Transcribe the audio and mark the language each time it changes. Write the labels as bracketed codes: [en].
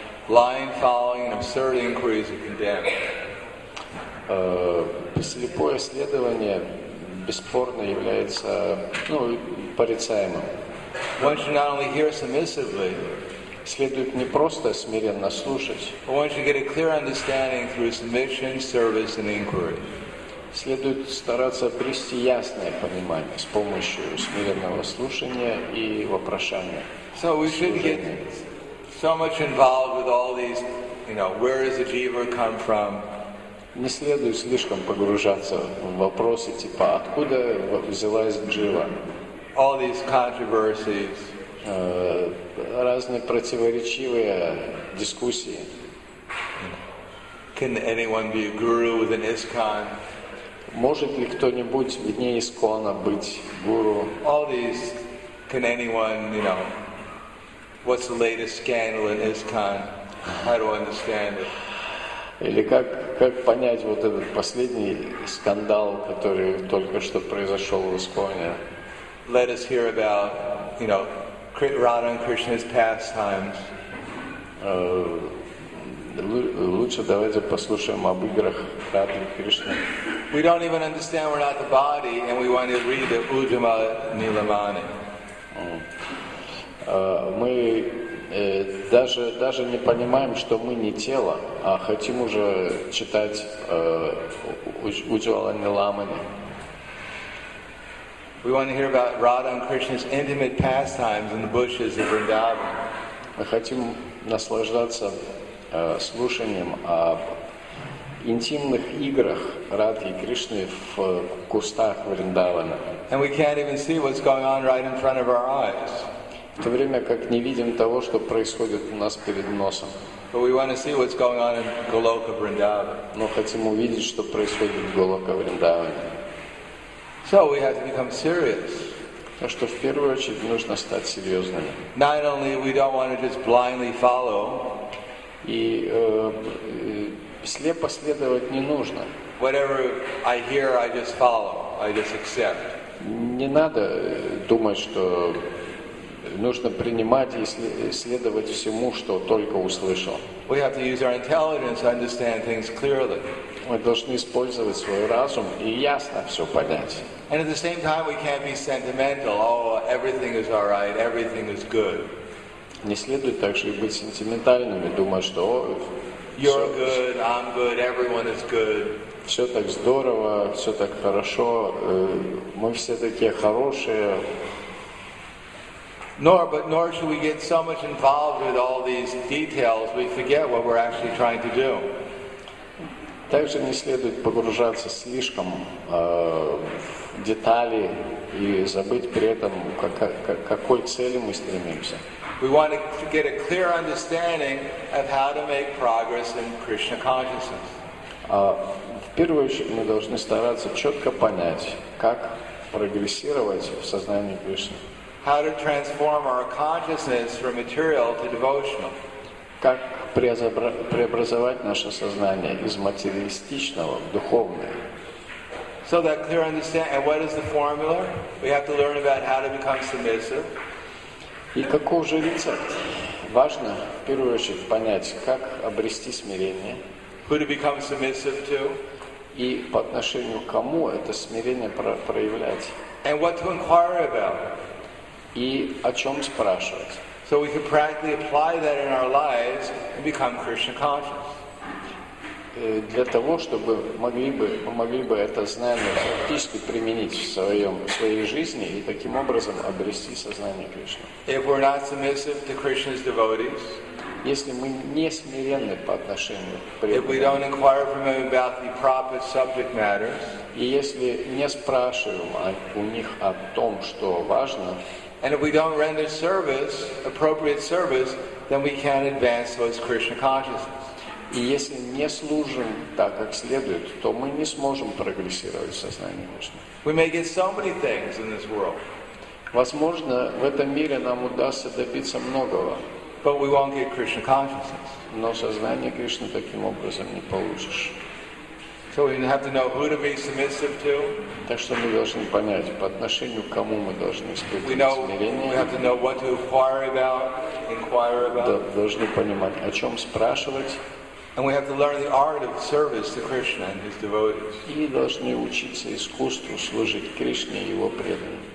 [en] Lying, following, and absurd inquiries are condemned. [ru] Слепое следование бесспорно является, ну, порицаемым. [en] One should not only hear submissively, [ru] следует не просто смиренно слушать, [en] but one should get a clear understanding through submission, service, and inquiry. [ru] Следует стараться обрести ясное понимание с помощью смиренного слушания и вопрошания. [en] So we should get so much involved with all these, you know, where does the jiva come from? [ru] Не следует слишком погружаться в вопросы типа откуда взялась джива. [en] All these controversies. [ru] Разные противоречивые дискуссии. [en] Can anyone be a guru with an ISKCON? [ru] Может ли кто-нибудь вне ИСКОНа быть гуру? [en] All these, can anyone, you know, what's the latest scandal in ISKCON? How to understand it? [ru] Или как понять вот этот последний скандал, который только что произошел в ИСКОНе? [en] Let us hear about, you know, Radha and Krishna's pastimes. [ru] Лучше давайте послушаем об играх Радхи Кришны. [en] We don't even understand we're not the body, and we want to read the Ujjama Nilamani. [ru] Мы даже не понимаем, что мы не тело, а хотим уже читать Ujjama Nilamani. [en] We want to hear about Radha and Krishna's intimate pastimes in the bushes of Vrindavan. [ru] Мы хотим наслаждаться слушанием о интимных играх Радхи и Кришны в кустах Вриндавана. [en] And we can't even see what's going on right in front of our eyes. [ru] В то время как не видим того, что происходит у нас перед носом. [en] But we want to see what's going on in Goloka Vrindavan. [ru] Но хотим увидеть, что происходит в Голока Вриндаване. [en] So we have to become serious. [ru] Так что в первую очередь нужно стать серьезными. [en] Not only we don't want to just blindly follow. [ru] И слепо следовать не нужно. [en] Whatever I hear, I just follow. I just accept. [ru] Не надо думать, что нужно принимать и следовать всему, что только услышал. [en] We have to use our intelligence to understand things clearly. [ru] Мы должны использовать свой разум и ясно все понять. [en] And at the same time, we can't be sentimental. Oh, everything is all right. Everything is good. [ru] Не следует также и быть сентиментальными, думая, что [en] You're good, I'm good, everyone is good. [ru] Все так здорово, все так хорошо, мы все такие хорошие. [en] Nor should we get so much involved with all these details, we forget what we're actually trying to do. [ru] Также не следует погружаться слишком в детали и забыть при этом, какой цели мы стремимся. [en] We want to get a clear understanding of how to make progress in Krishna consciousness. [ru] В первую очередь мы должны стараться четко понять, как прогрессировать в сознании Кришны. [en] How to transform our consciousness from material to devotional. [ru] Как преобразовать наше сознание из материалистичного в духовное. [en] So that clear understanding, and what is the formula? We have to learn about how to become submissive. [ru] И какой же рецепт? Важно, в первую очередь, понять, как обрести смирение. [en] Who to become submissive to. [ru] И по отношению к кому это смирение проявлять. [en] And what to inquire about. [ru] И о чем спрашивать. [en] So we can practically apply that in our lives and become Krishna conscious. [ru] Для того, чтобы мы могли бы это знание практически применить в своей жизни и таким образом обрести сознание Кришны. [en] If we're not submissive to Krishna's devotees, [ru] если мы не смиренны по отношению к преданным, [en] if we don't inquire from them about the proper subject matters, [ru] и если не спрашиваем у них о том, что важно, [en] and if we don't render service, appropriate service, then we can't advance towards Krishna consciousness. [ru] И если не служим так, как следует, то мы не сможем прогрессировать в сознании Кришны. [en] We may get so many things in this world. [ru] Возможно, в этом мире нам удастся добиться многого. [en] But we won't get Krishna consciousness. [ru] Но сознание Кришны таким образом не получишь. [en] So we have to know who to be submissive to. [ru] Так что мы должны понять, по отношению к кому мы должны испытывать смирение. [en] We have to know what to inquire about. [ru] Да, должны понимать, о чем спрашивать. [en] And we have to learn the art of service to Krishna and his devotees. [ru] И должны учиться искусству служить Кришне и его преданным.